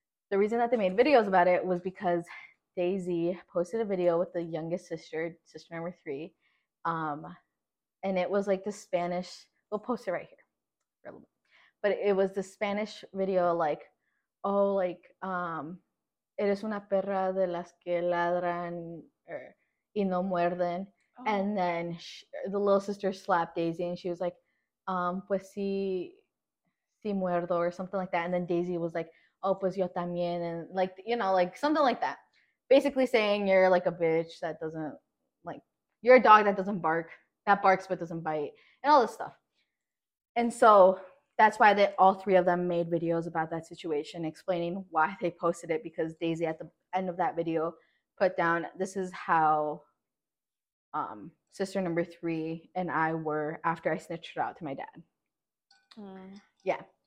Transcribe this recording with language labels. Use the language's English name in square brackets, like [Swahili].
[English] The reason that they made videos about it was because Daisy posted a video with the youngest sister, sister number 3. And it was like the Spanish, we'll post it right here for a little bit. But it was the Spanish video like, oh, like, [Spanish] eres una perra de las que ladran y no muerden. [English] Oh. And then the little sister slapped Daisy and she was like, pues sí, sí muerdo or something like that. And then Daisy was like, oh, pues yo también. And like, you know, like something like that. Basically saying you're like a bitch that doesn't, like, you're a dog that doesn't bark, that barks but doesn't bite and all this stuff. And so that's why they, all three of them made videos about that situation explaining why they posted it, because Daisy at the end of that video put down, this is how sister number three and I were after I snitched it out to my dad. Mm. Yeah.